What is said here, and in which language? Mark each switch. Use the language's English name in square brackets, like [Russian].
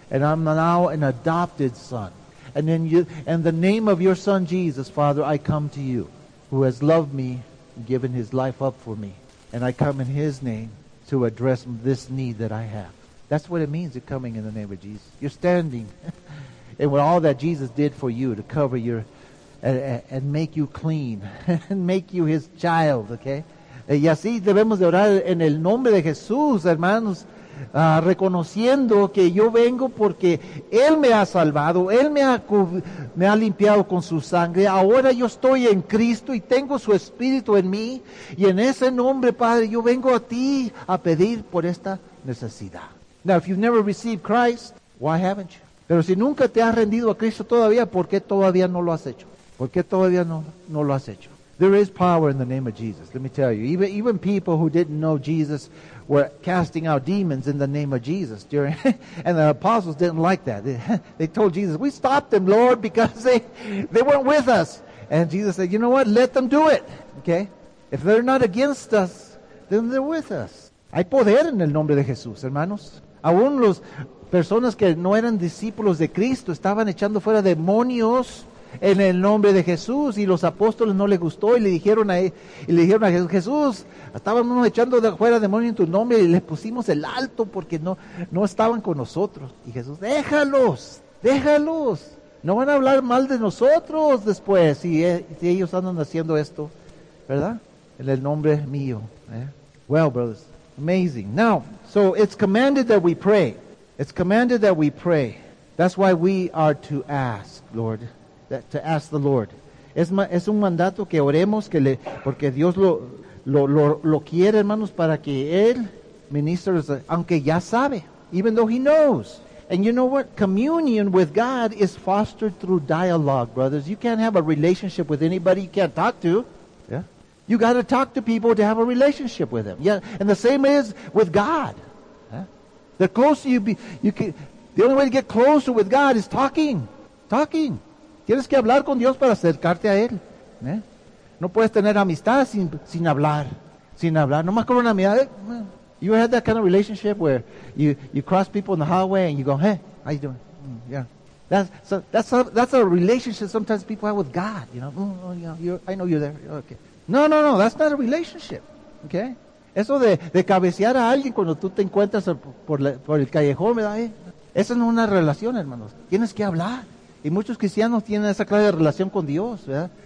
[English] And I'm now an adopted son. And in the name of your son, Jesus, Father, I come to you, who has loved me and given his life up for me. And I come in his name to address this need that I have. That's what it means to coming in the name of Jesus. You're standing. And with all that Jesus did for you to cover your and make you clean and make you his child, okay? [Spanish] Y así debemos de orar en el nombre de Jesús, hermanos, reconociendo que yo vengo porque Él me ha salvado, Él me ha limpiado con su sangre. Ahora yo estoy en Cristo y tengo su Espíritu en mí. Y en ese nombre, Padre, yo vengo a ti a pedir por esta necesidad. [English] Now, if you've never received Christ, why haven't you? [Spanish] Pero si nunca te has rendido a Cristo todavía, ¿por qué todavía no lo has hecho? ¿Por qué todavía no lo has hecho? [English] There is power in the name of Jesus. Let me tell you, even people who didn't know Jesus were casting out demons in the name of Jesus. And the apostles didn't like that. They told Jesus, we stopped them, Lord, because they weren't with us. And Jesus said, you know what? Let them do it. Okay? If they're not against us, then they're with us. [Spanish] Hay poder en el nombre de Jesús, hermanos. Aún las personas que no eran discípulos de Cristo estaban echando fuera demonios en el nombre de Jesús. Y los apóstoles no les gustó y le dijeron a Jesús, Jesús, estábamos echando fuera demonios en tu nombre y les pusimos el alto porque no estaban con nosotros. Y Jesús, déjalos. No van a hablar mal de nosotros después si ellos andan haciendo esto, ¿verdad? En el nombre mío. [English] Well, brothers. Amazing. Now, so it's commanded that we pray. It's commanded that we pray. That's why we are to ask, Lord, to ask the Lord. [Spanish] Es un mandato que oremos, porque Dios lo quiere, hermanos, para que Él ministre, aunque ya sabe, [English] even though he knows. And you know what? Communion with God is fostered through dialogue, brothers. You can't have a relationship with anybody you can't talk to. You got to talk to people to have a relationship with them. Yeah, and the same is with God. Yeah. The closer the only way to get closer with God is talking. [Spanish] Tienes que hablar con Dios para acercarte a Él. No puedes tener amistad sin hablar, sin hablar. Nomás con una amistad. [English] You had that kind of relationship where you cross people in the hallway and you go, hey, how you doing? Yeah. That's a relationship sometimes people have with God. You know, I know you're there. Okay. No, that's not a relationship. Okay. [Spanish] Eso de cabecear a alguien cuando tú te encuentras por el callejón, ¿verdad? Esa no es una relación, hermanos. Tienes que hablar. Y muchos cristianos tienen esa clase de relación con Dios, ¿verdad?